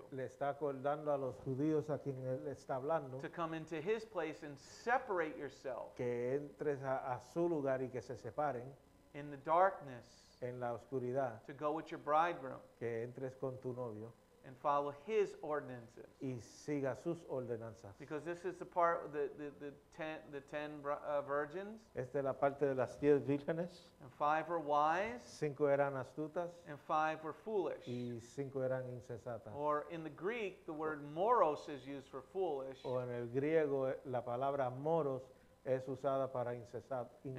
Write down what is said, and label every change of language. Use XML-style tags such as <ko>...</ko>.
<es>le está acordando a los judíos a quien él está hablando,</es> <en>to come into his place and separate yourself,</en> <es>que entres a su lugar y que se separen,</es> <en>in the darkness,</en> <es>en la oscuridad,</es> <en>to go with your bridegroom,</en> <es>que entres con tu novio,</es> <en>and follow his ordinances,</en> <es>y siga sus ordenanzas,</es> <en>because this is the part of the ten virgins.</en> <es>Esta es la parte de las diez vírgenes.</es> <en>And five were wise.</en> <es>Cinco eran astutas.</es> <en>And five were foolish.</en> <es>Y cinco eran insensatas.</es> <en>Or in the Greek, the word moros is used for foolish.</en> <es>O en el griego, la palabra moros es usada para insensatos.</es>